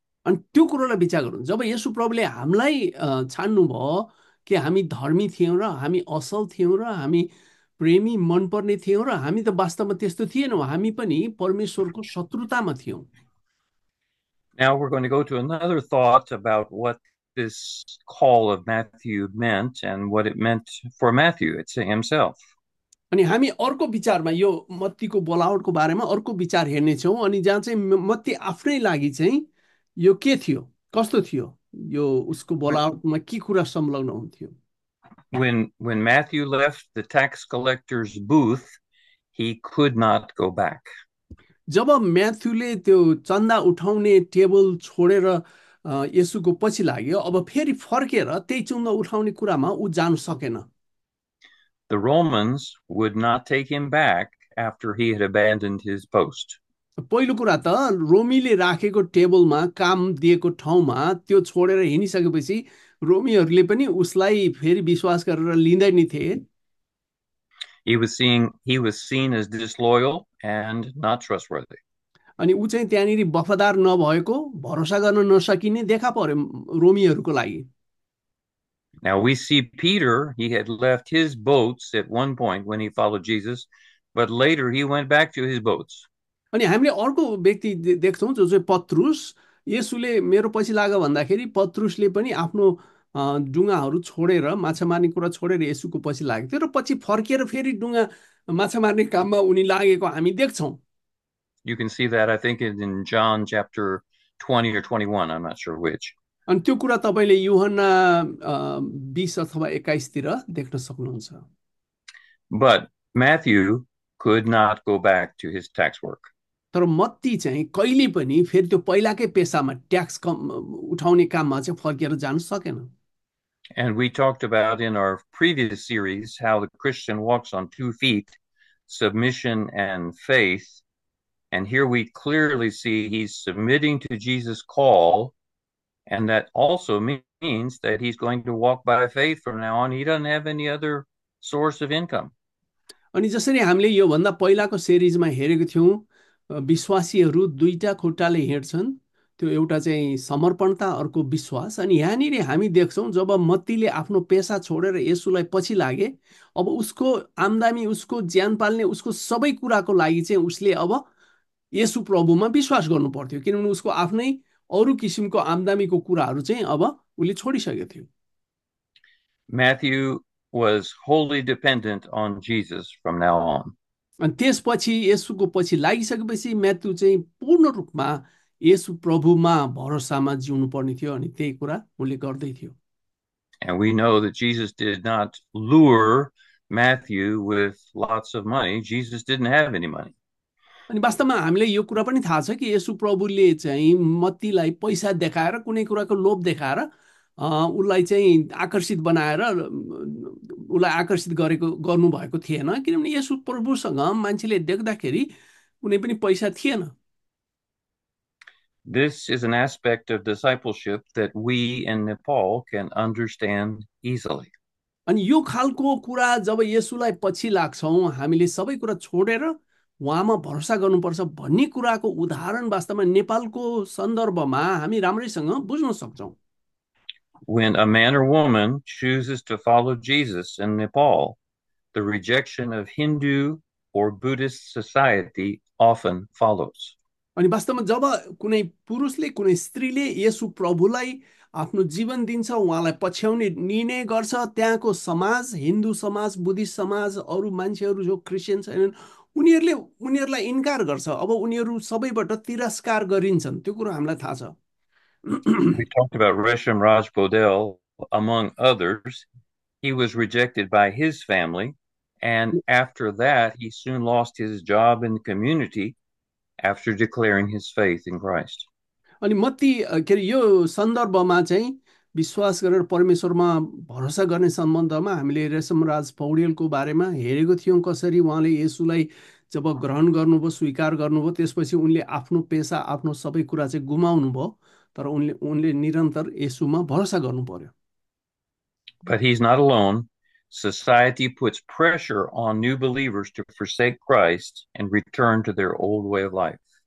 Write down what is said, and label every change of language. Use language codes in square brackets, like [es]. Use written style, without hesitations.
[ne] अनि त्यो कुरोलाई विचार गरौँ जब येशु प्रभुले हामीलाई छान्नुभयो कि हामी धर्मी थियौँ र हामी असल थियौँ र हामी प्रेमी मनपर्ने थियौँ र हामी त वास्तवमा त्यस्तो थिएनौँ हामी पनि परमेश्वरको शत्रुतामा थियौँ [en] Now we're going to go to another thought about what this call of Matthew meant and what it meant for Matthew. It's himself. [ne] अनि हामी अर्को विचारमा यो मत्तीको बोलावटको बारेमा अर्को विचार हेर्नेछौँ अनि जहाँ चाहिँ मत्ती आफ्नै लागि चाहिँ यो के थियो कस्तो थियो यो उसको बोलावटमा के कुरा संलग्न हुन्थ्यो [en] When Matthew left the tax collector's booth, he could not go back. [ne] जब म्याथ्यूले त्यो चन्दा उठाउने टेबल छोडेर येसुको पछि लाग्यो अब फेरि फर्केर त्यही चन्दा उठाउने कुरामा ऊ जान सकेन [en] The Romans would not take him back after he had abandoned his post. [ne] पहिलो कुरा त रोमीले राखेको टेबलमा काम दिएको ठाउँमा त्यो छोडेर हिँडिसकेपछि रोमीहरूले पनि उसलाई फेरि विश्वास गरेर लिँदैन थिए [en] He was seen as disloyal and not trustworthy. [ne] अनि ऊ चाहिँ त्यहाँनिर वफादार नभएको भरोसा गर्न नसकिने देखा पर्यो रोमीहरूको लागि [en] Now we see Peter, he had left his boats at one point when he followed Jesus, but later he went back to his boats. [ne] अनि हामीले अर्को व्यक्ति देख्छौँ जो चाहिँ पत्रुस येसुले मेरो पछि लाग भन्दाखेरि पत्रुसले पनि आफ्नो डुङ्गाहरू छोडेर माछा मार्ने कुरा छोडेर येसुको पछि लागेको थियो र पछि फर्केर फेरि डुङ्गा माछा मार्ने काममा उनी लागेको हामी देख्छौँ [en] You can see that I think in John chapter 20 or 21, I'm not sure which. [ne] अनि त्यो कुरा तपाईँले युहन्ना 20 अथवा 21 देख्न सक्नुहुन्छ [en] But Matthew could not go back to his tax work. [ne] तर मत्ती चाहिँ कहिले पनि फेरि त्यो पहिलाकै पेसामा ट्याक्स कम उठाउने काममा चाहिँ फर्केर जान सकेन [en] And we talked about in our previous series how the Christian walks on two feet, submission and faith. And here we clearly see he's submitting to Jesus' call, and that also means that he's going to walk by faith from now on. He doesn't have any other source of income. [ne] अनि जसरी हामीले योभन्दा पहिलाको सिरिजमा हेरेको थियौँ विश्वासीहरू दुईटा खुट्टाले हिँड्छन् त्यो एउटा चाहिँ समर्पणता अर्को विश्वास अनि यहाँनिर हामी देख्छौँ जब मत्तीले आफ्नो पेसा छोडेर येशूलाई पछि लागे अब उसको आम्दानी उसको ज्यान पाल्ने उसको सबै कुराको लागि चाहिँ उसले अब येशू प्रभुमा विश्वास गर्नु पर्थ्यो किनभने उसको आफ्नै अरू किसिमको आम्दानीको कुराहरू चाहिँ अब उसले छोडिसकेको थियो [en] Matthew was wholly dependent on Jesus from now on. [ne] अनि त्यसपछि येसुको पछि लागिसकेपछि म्याथ्यू चाहिँ पूर्ण रूपमा येसु प्रभुमा भरोसामा जिउनु पर्ने थियो अनि त्यही कुरा उसले गर्दै थियो [en] And we know that Jesus did not lure Matthew with lots of money. Jesus didn't have any money. [ne] अनि वास्तवमा हामीले यो कुरा पनि थाहा छ कि येसु प्रभुले चाहिँ मत्तीलाई पैसा देखाएर कुनै कुराको लोभ देखाएर उसलाई चाहिँ आकर्षित बनाएर उसलाई आकर्षित गरेको गर्नुभएको थिएन किनभने येशु प्रभुसँग मान्छेले देख्दाखेरि कुनै पनि पैसा थिएन [en] This is an aspect of discipleship that we in Nepal can understand easily. [ne] अनि यो खालको कुरा जब येशुलाई पछि लाग्छौँ हामीले सबै कुरा छोडेर उहाँमा भरोसा गर्नुपर्छ भन्ने कुराको उदाहरण वास्तवमा नेपालको सन्दर्भमा हामी राम्रैसँग बुझ्न सक्छौँ [en] When a man or woman chooses to follow Jesus in Nepal, the rejection of Hindu or Buddhist society often follows. [ne] अनि वास्तवमा जब कुनै पुरुषले कुनै स्त्रीले येशु प्रभुलाई आफ्नो जीवन दिन्छ, उहाँलाई पछ्याउने निर्णय गर्छ, त्यहाँको समाज, हिन्दू समाज, बुद्धिस्ट समाज, अरू मान्छेहरू जो क्रिस्चियन छैनन्, उनीहरूले उनीहरूलाई इन्कार गर्छ। अब उनीहरू सबैबाट तिरस्कार गरिन्छन्, त्यो कुरो हामीलाई थाहा छ। [en] We talked about Resham Raj Bodel, among others. He was rejected by his family, and after that, he soon lost his job in the community after declaring his faith in Christ. [ne] अनि मत्ती के अरे यो सन्दर्भमा चाहिँ विश्वास गरेर परमेश्वरमा भरोसा गर्ने सम्बन्धमा हामीले रेशमराज पौडेलको बारेमा हेरेको थियौँ, कसरी उहाँले येशूलाई जब ग्रहण गर्नुभयो, स्वीकार गर्नुभयो, त्यसपछि उनले आफ्नो पेसा, आफ्नो सबै कुरा चाहिँ गुमाउनुभयो, तर उनले निरन्तर येशूमा भरोसा गर्नु पर्यो। [en] But he's not alone. Society puts pressure on new believers to forsake Christ and return to their old way of life.